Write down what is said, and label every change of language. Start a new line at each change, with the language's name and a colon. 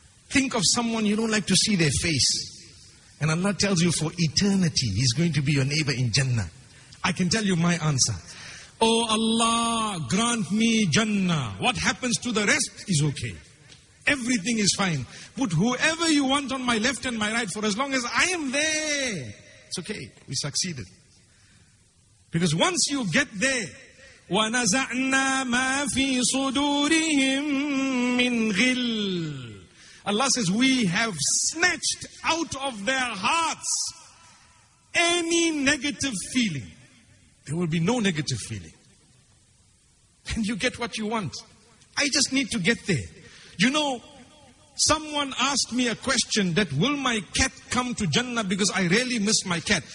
English: Think of someone you don't like to see their face. And Allah tells you for eternity, he's going to be your neighbor in Jannah. I can tell you my answer. Oh Allah, grant me Jannah. What happens to the rest is okay. Everything is fine. Put whoever you want on my left and my right for as long as I am there. It's okay. We succeeded. Because once you get there,
Arabic: وَنَزَعْنَا مَا فِي صُدُورِهِمْ مِنْ غِلٍّ.
English: Allah says, we have snatched out of their hearts any negative feeling. There will be no negative feeling. And you get what you want. I just need to get there. You know, someone asked me a question that will my cat come to Jannah because I really miss my cat.